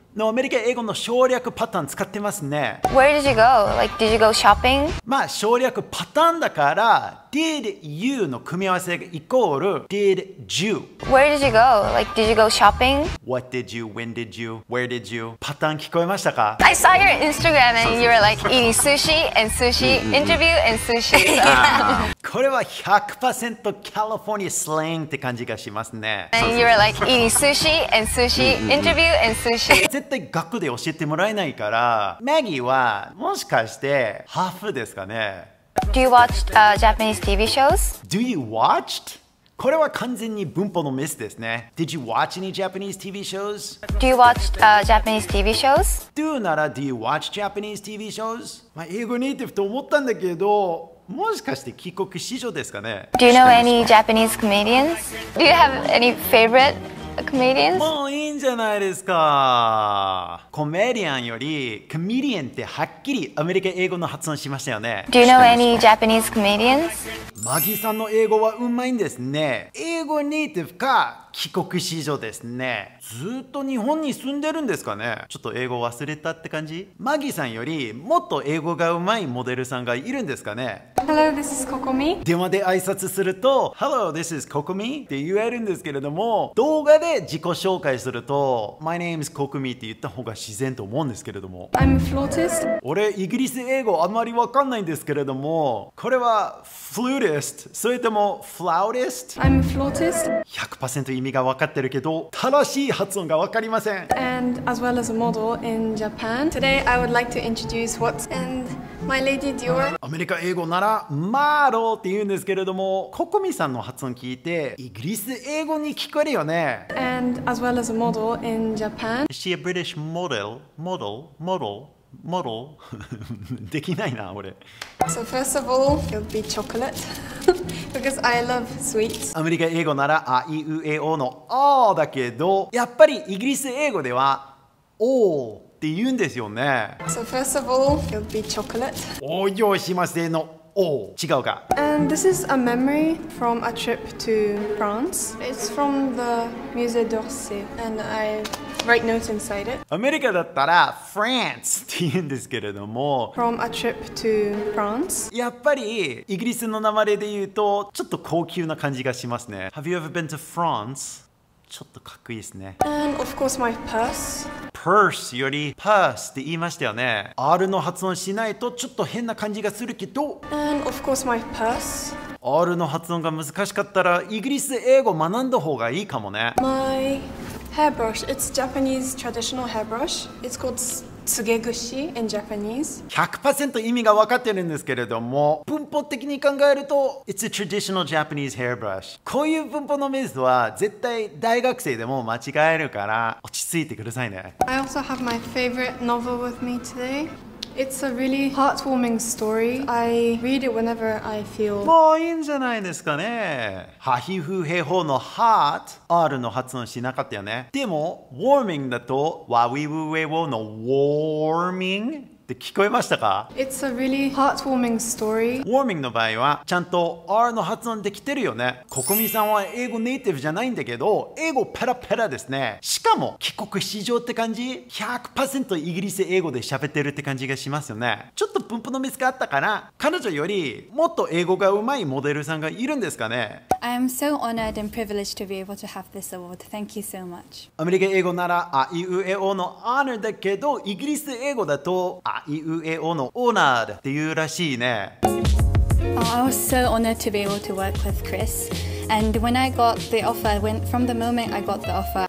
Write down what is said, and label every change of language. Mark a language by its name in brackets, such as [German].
[Japanese] のアメリカ英語の省略パターン使ってますね。 [English] Where did you go? Like, did you go shopping? [Japanese] まあ省略パターンだから、 [English] Did you [Japanese] の組み合わせがイコール Did you? [English] Where did you go? Like, did you go shopping? What did you? When did you? Where did you? [Japanese] パターン聞こえましたか? [English] I saw your Instagram and you were like eating sushi and sushi interview and sushi. [Japanese] これは 100% California slang って感じがしますね。 [English] And you were like eating sushi and sushi interview and sushi. [Japanese] 絶対学校で教えてもらえないから、マギーはもしかしてハーフですかね。 [English] Do you watch Japanese TV shows? Do you watch? [Japanese] これは完全に文法のミスですね。 [English] Did you watch any Japanese TV shows? Do you watch Japanese TV shows? Do [Japanese] なら [English] Do you watch Japanese TV shows? [Japanese] まあ英語ネイティブと思ったんだけど、もしかして帰国子女ですかね。 [English] Do you know any Japanese comedians? Do you have any favorite? Comedians? [Japanese] もういいんじゃないですか。コメディアンよりコメディアンってはっきりアメリカ英語の発音しましたよね。 [English] Do you know any Japanese comedians? [Japanese] マギさんの英語はうまいんですね。英語ネイティブか帰国子女ですね。ずっと日本に住んでるんですかね。ちょっと英語忘れたって感じ。マギさんよりもっと英語がうまいモデルさんがいるんですかね。 [English] Hello, this is Kokomi. [Japanese] 電話で挨拶すると [English] Hello, this is Kokomi [Japanese] って言えるんですけれども、動画で自己紹介すると [English] My name is Kokomi [Japanese] って言った方が自然と思うんですけれども。 [English] I'm a flutist. [Japanese] 俺イギリス英語あまりわかんないんですけれども、これは flutist それとも flautist? [English] I'm a flutist. [Japanese] 100% 意味が分かってるけど正しい発音が分かりません。 [English] And as well as a model in Japan. Today I would like to introduce what and my lady Dior. [Japanese] アメリカ英語ならマーローって言うんですけれども、ココミさんの発音聞いてイギリス英語に聞こえるよね。 [English] And as well as a model in Japan. Is she a British model? Model? Model? Model? [Japanese] できないな、俺。 [English] So first of all, it'll be chocolate. Because I love sweets. [Japanese] アメリカ英語なら、あいうえおのあだけど、やっぱりイギリス英語では、おって言うんですよね。 [English] So first of all, it'll be chocolate. [Japanese] お用意しますの。お、違うか。 [English] And this is a memory from a trip to France. It's from the Musée d'Orsay. And I write notes inside it. [Japanese] アメリカだったら France って言うんですけれども。 [English] From a trip to France. [Japanese] やっぱりイギリスの名前で言うとちょっと高級な感じがしますね。 [English] Have you ever been to France? [Japanese] ちょっとかっこいいですね。 [English] And of course my purse. [Japanese] Purse より Purse って言いましたよね。 R の発音しないとちょっと変な感じがするけど、 [English] And of course my purse. [Japanese] R の発音が難しかったらイギリス英語学んだ方がいいかもね。 [English] My hairbrush. It's Japanese traditional hairbrush. It's called 告げ串 in Japanese [Japanese] 100% 意味が分かってるんですけれども文法的に考えると [English] It's a traditional Japanese hairbrush [Japanese] こういう文法のメスは絶対大学生でも間違えるから落ち着いてくださいね [English] I also have my favorite novel with me today It's a really heartwarming story I read it whenever I feel [Japanese] もういいんじゃないですかねハヒフヘホの heart R の発音しなかったよねでも warming だとワウィウウェウォの warming って聞こえましたか [English] It's a really heartwarming story [Japanese] warming の場合はちゃんと R の発音できてるよねココミさんは英語ネイティブじゃないんだけど英語ペラペラですねしかも帰国子女って感じ 100% イギリス英語で喋ってるって感じがしますよねちょっと文法のミスがあったかな彼女よりもっと英語が上手いモデルさんがいるんですかね [English] I am so honored and privileged to be able to have this award Thank you so much [Japanese] アメリカ英語ならあいうえおの honor だけどイギリス英語だとあいうえおのオーナーっていうらしいね。 [English] Oh, I was so honored to be able to work with Chris. And when I got the offer, when from the moment I got the offer,